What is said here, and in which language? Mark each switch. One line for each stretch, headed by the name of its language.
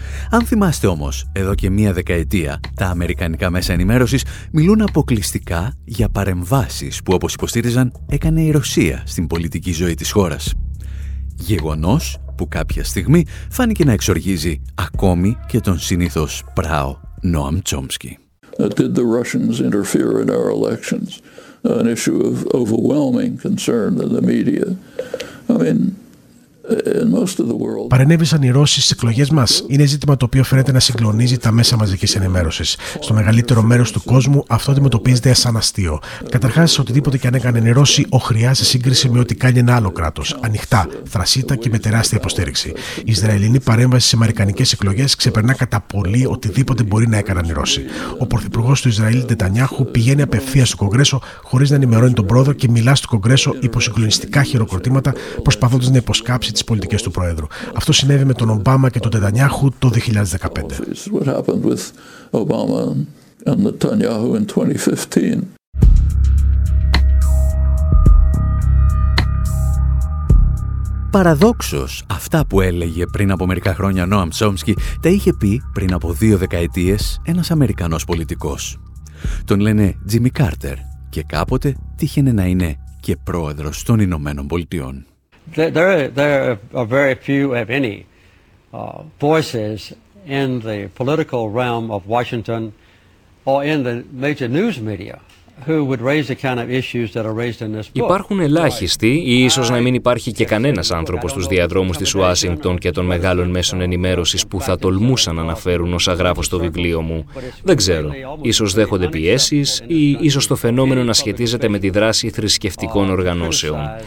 Greek: Αν θυμάστε όμως, εδώ και μία δεκαετία, τα αμερικανικά μέσα ενημέρωσης μιλούν αποκλειστικά για παρεμβάσεις που, όπως υποστήριζαν, έκανε η Ρωσία στην πολιτική ζωή της χώρας. Γεγονός που κάποια στιγμή φάνηκε να εξοργίζει ακόμη και τον συνήθως πράο Νόαμ Τσόμσκι.
English: Did the Russians interfere in our elections? An issue of overwhelming concern in the media. I mean, in most of the world.
Greek: Παρενέβησαν οι Ρώσοι στις εκλογές μας? Είναι ζήτημα το οποίο φαίνεται να συγκλονίζει τα μέσα μαζικής ενημέρωσης. Στο μεγαλύτερο μέρος του κόσμου αυτό αντιμετωπίζεται σαν αστείο. Καταρχάς, οτιδήποτε και αν έκαναν οι Ρώσοι, οχριά σε σύγκριση με ό,τι κάνει ένα άλλο κράτος. Ανοιχτά, θρασίτα και με τεράστια υποστήριξη. Η Ισραηλινή παρέμβαση σε αμερικανικές εκλογές ξεπερνά κατά πολύ οτιδήποτε μπορεί να έκαναν οι Ρώσοι. Ο πρωθυπουργός του Ισραήλ, Νετανιάχου, πηγαίνει απευθείας στο Κογκρέσο, χωρίς να ενημερώνει τον πρόεδρο και μιλά στο Κογκρέσο υπό συγκλονιστικά χειροκροτήματα, προσπαθώντας να υποσκάψει τις πολιτικές του Προέδρου. Αυτό συνέβη με τον Ομπάμα και τον Νετανιάχου το 2015. Παραδόξως, αυτά που έλεγε πριν από μερικά χρόνια Νόαμ Τσόμσκι τα είχε πει πριν από 2 δεκαετίες ένας Αμερικανός πολιτικός. Τον λένε Τζίμι Κάρτερ και κάποτε τύχαινε να είναι και πρόεδρος των Ηνωμένων Πολιτειών.
English: There are very few, if any, voices in the political realm of Washington or in the major news media.
Greek: Υπάρχουν ελάχιστοι ή ίσως να μην υπάρχει και κανένας άνθρωπος στους διαδρόμους της Ουάσιγκτον και των μεγάλων μέσων ενημέρωσης που θα τολμούσαν να αναφέρουν όσα γράφω στο βιβλίο μου. Δεν ξέρω. Ίσως δέχονται πιέσεις ή ίσως το φαινόμενο να σχετίζεται με τη δράση θρησκευτικών οργανώσεων.